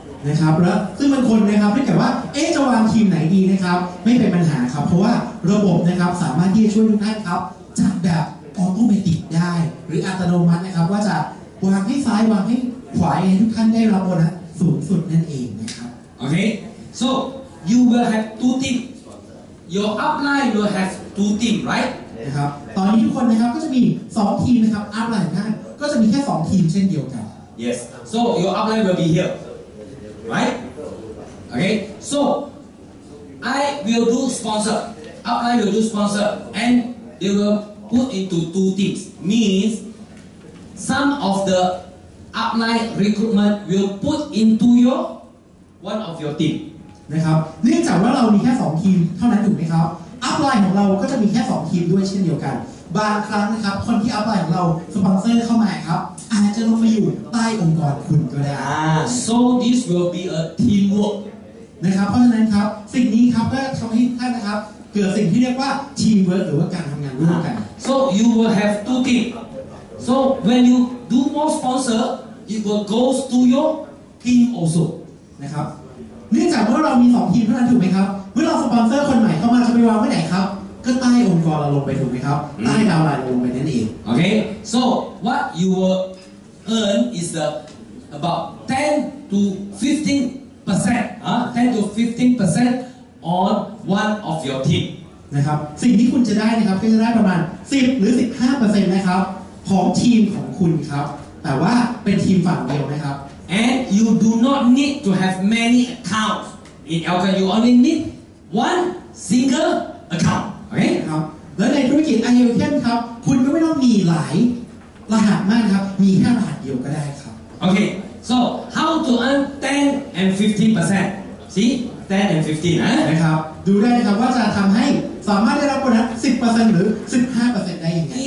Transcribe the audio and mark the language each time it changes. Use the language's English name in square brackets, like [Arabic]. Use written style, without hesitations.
[Thai] นะครับแล้วซึ่งบางคนนะครับถ้าเกิดว่าจะวางทีมไหนดีนะครับไม่เป็นปัญหาครับเพราะว่าระบบนะครับสามารถที่จะช่วยทุกท่านครับจัดแบบออโตเมติกได้หรืออัตโนมัตินะครับว่าจะวางให้ซ้ายวางให้ขวาให้ทุกท่านได้รับบทสูงสุดนั่นเองนะครับ [English] โอเค so you will have two team your upline will have two team right [Thai] นะครับตอนนี้ทุกคนนะครับก็จะมี2ทีมนะครับ upline ท่านก็จะมีแค่2ทีมเช่นเดียวกัน [English] yes so your upline will be hereRight? Okay. So I will do sponsor. Upline will do sponsor, and they will put into two teams. Means some of the upline recruitment will put into your one of your team. [Thai] นะครับเนื่องจากว่าเรามีแค่2ทีมเท่านั้นถูกไหมครับ Upline ของเราก็จะมีแค่2ทีมด้วยเช่นเดียวกันบางครั้งนะครับคนที่ upline ของเราสปอนเซอร์เข้ามาครับอาจจะลงมาอยู่ใต้องค์กรคุณก็ได้ [English] so this will be a teamwork [Thai] นะครับเพราะฉะนั้นครับสิ่งนี้ครับก็ทำให้ท่านนะครับเกิดสิ่งที่เรียกว่า teamwork หรือว่าการทำงานร่วมกัน [English] so you will have two team so when you do more sponsor it will goes to your team also [Thai] นะครับเนื่องจากว่าเรามี2ทีมเท่านั้นถูกไหมครับเมื่อเราสปอนเซอร์คนใหม่เข้ามาจะไปวางไว้ไหนครับก็ใต้องค์กรเราลงไปถูกไหมครับใต้ดาวไลน์ลงไปนั่นเอง [English] โอเค so what you will earn is the about 10 to 15% 10 to 15% on one of your team [Thai] นะครับสิ่งที่คุณจะได้นะครับก็จะได้ประมาณ10 หรือ 15% นะครับของทีมของคุณครับแต่ว่าเป็นทีมฝั่งเดียวนะครับ [English] and you do not need to have many accounts in Elkan you only need one single account [Thai] โอเคครับและในธุรกิจ iElkan ครับคุณก็ไม่ต้องมีหลายรหัสมากครับมีแค่รหัสเดียวก็ได้ครับ [English] โอเค so how to earn 10 and 15% see 10 and 15% [Thai] นะครับดูได้ครับว่าจะทำให้สามารถได้รับโบนัส 10% หรือ 15% ได้ยังไง